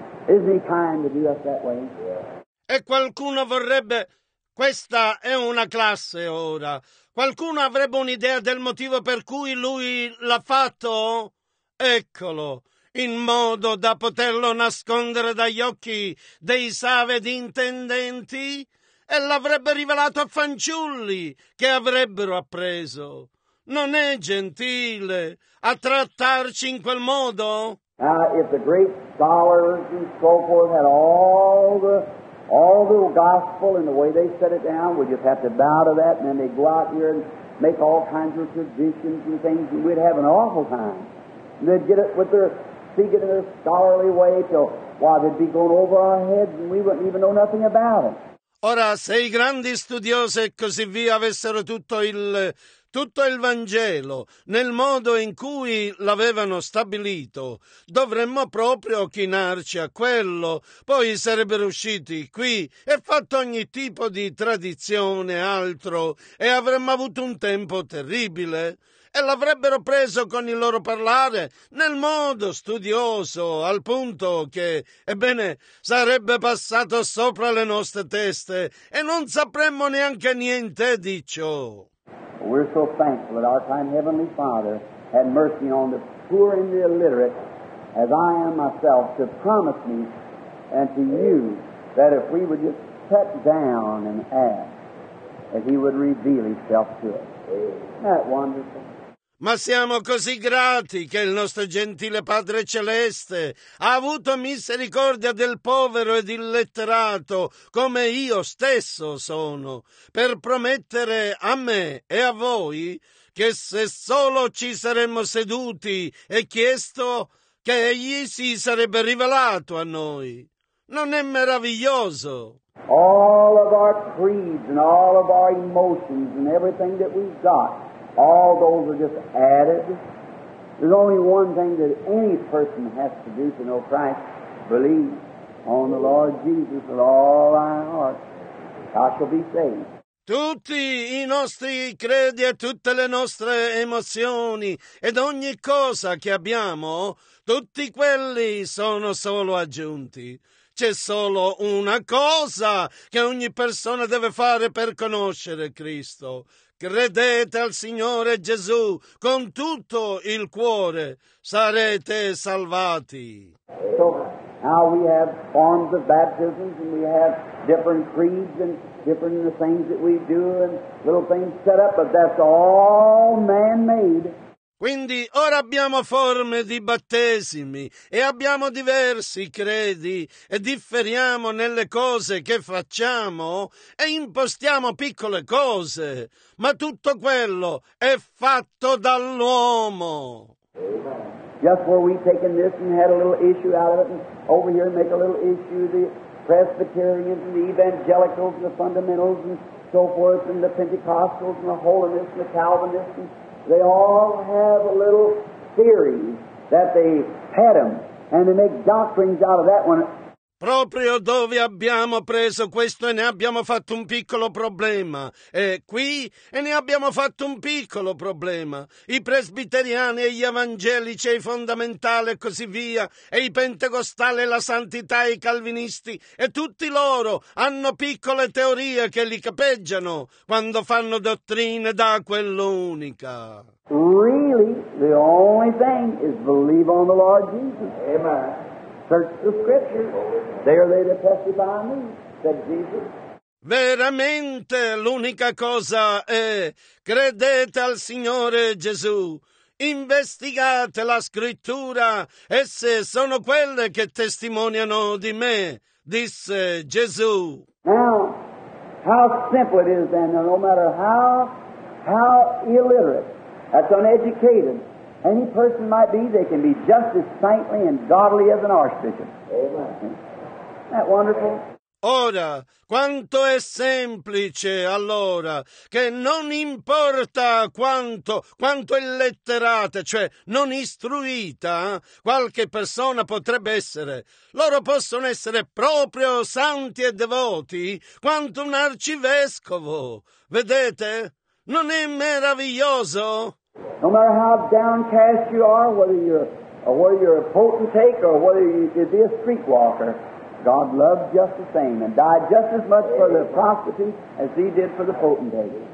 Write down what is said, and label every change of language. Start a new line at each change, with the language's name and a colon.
English: Isn't he kind to do us that way?
Italian: E qualcuno vorrebbe, questa è una classe ora, qualcuno avrebbe un'idea del motivo per cui lui l'ha fatto? Eccolo, in modo da poterlo nascondere dagli occhi dei savi ed intendenti, e l'avrebbe rivelato a fanciulli che avrebbero appreso. Non è gentile a trattarci in quel modo?
English: If the great scholars and so forth had all the gospel and the way they set it down, we'd just have to bow to that, and then they'd go out here and make all kinds of traditions and things, and we'd have an awful time. And they'd get it with their speaking in a scholarly way till why they'd be going over our heads and we wouldn't even know nothing about it.
Italian: Ora, se i grandi studiosi e così via avessero tutto il Vangelo nel modo in cui l'avevano stabilito, dovremmo proprio chinarci a quello. Poi sarebbero usciti qui e fatto ogni tipo di tradizione e altro, e avremmo avuto un tempo terribile. E l'avrebbero preso con il loro parlare nel modo studioso, al punto che, ebbene, sarebbe passato sopra le nostre teste e non sapremmo neanche niente di ciò.
English: We're so thankful that our kind Heavenly Father had mercy on the poor and the illiterate, as I am myself, to promise me and to you that if we would just cut down and ask, that he would reveal himself to us. Isn't that wonderful?
Italian: Ma siamo così grati che il nostro gentile Padre Celeste ha avuto misericordia del povero ed illetterato, come io stesso sono, per promettere a me e a voi che se solo ci saremmo seduti e chiesto, che egli si sarebbe rivelato a noi. Non è meraviglioso?
English: All of our creeds and all of our emotions and everything that we've got, all those are just added. There's only one thing that any person has to do to know Christ. Believe on the Lord Jesus with all thy heart. I shall be saved.
Italian: Tutti i nostri credi e tutte le nostre emozioni ed ogni cosa che abbiamo, tutti quelli sono solo aggiunti. C'è solo una cosa che ogni persona deve fare per conoscere Cristo. Credete al Signore Gesù con tutto il cuore, sarete salvati.
English: So now we have forms of baptisms and we have different creeds and different things that we do and little things set up, but that's all man-made.
Italian: Quindi ora abbiamo forme di battesimi e abbiamo diversi credi e differiamo nelle cose che facciamo e impostiamo piccole cose, ma tutto quello è fatto dall'uomo.
English: Just where we've taken this and had a little issue out of it, and over here make a little issue, the Presbyterians and the Evangelicals and the Fundamentals and so forth, and the Pentecostals and the Holiness and the Calvinists, and they all have a little theory that they had them, and they make doctrines out of that one.
Italian: Proprio dove abbiamo preso questo e ne abbiamo fatto un piccolo problema. E qui e ne abbiamo fatto un piccolo problema. I presbiteriani e gli evangelici e i fondamentali e così via, e i pentecostali e la santità e i calvinisti, e tutti loro hanno piccole teorie che li capeggiano quando fanno dottrine da quell'unica.
English: Really, the only thing is believe on the Lord Jesus. Amen. Search the scriptures. They are they that testify me, said Jesus.
Italian: Veramente, l'unica cosa è credete al Signore Gesù. Investigate la scrittura, esse sono quelle che testimoniano di me, disse Gesù.
English: Now, how simple it is then, no matter how illiterate, that's uneducated, any person might be, they can be just as saintly and godly as an archbishop. Amen. Isn't that wonderful?
Italian: Ora, quanto è semplice, allora, che non importa quanto è letterata, cioè non istruita, qualche persona potrebbe essere. Loro possono essere proprio santi e devoti quanto un arcivescovo. Vedete? Non è meraviglioso?
English: No matter how downcast you are, whether you're a potentate or whether you'd be a streetwalker, God loved just the same and died just as much for the prostitute as he did for the potentate.